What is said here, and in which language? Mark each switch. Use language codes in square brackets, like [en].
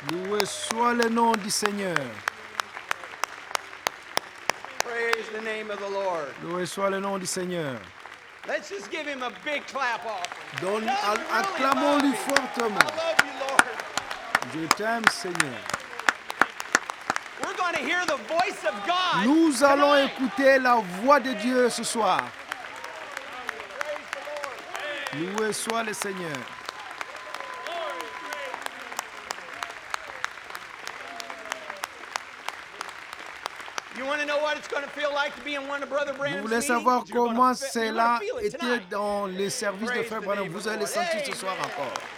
[fr] Loué soit le nom du Seigneur. [en] Praise the name of the Lord. [fr] Loué soit le nom du Seigneur. [en] Let's just give him a big clap off. [fr] Acclamons-lui fortement. [en] I love you, Lord. [fr] Je t'aime, Seigneur. [en] We're going to hear the voice of God. [fr] Nous allons écouter la voix de Dieu ce soir. Loué soit le Seigneur. [en] You want to know what it's going to feel like to be in one of Brother Branham's [fr] Vous voulez savoir comment cela était dans les services de Frère Branham? Vous allez le sentir ce soir encore.